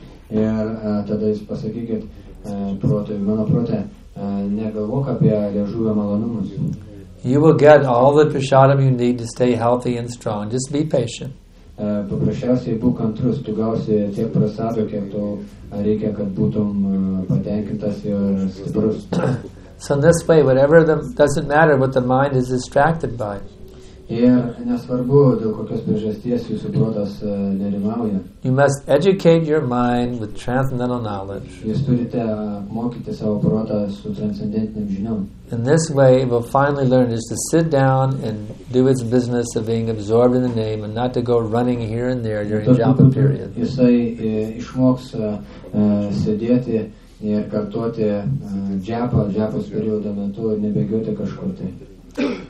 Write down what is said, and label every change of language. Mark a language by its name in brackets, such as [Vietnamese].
[Lithuanian] Ir tada jis pasakykit, protė, mano protė, negalvok apie liežuvio malonumus. [English] You will get all the prasadam you need to stay healthy and strong. Just be patient. [Lithuanian] Paprasčiausiai būk kantrus, tu gausi tiek prasado, kiek tau reikia, kad būtum patenkintas ir stiprus. [English] So in this way, whatever the, doesn't matter what the mind is distracted by. [Lithuanian] Ir nesvarbu, dėl kokios priežasties jūsų protas nerimauja. [English] You must educate your mind with transcendental knowledge. [Lithuanian] Jūs turite mokyti savo protą su transcendentinėm žiniom. [English] In this way, it will finally learn is to sit down and do its business of being absorbed in the name and not to go running here and there during japa period. [Lithuanian] Jisai išmoks sėdėti ir kartuoti džiapos periodo metu ir nebėgioti kažkur tai.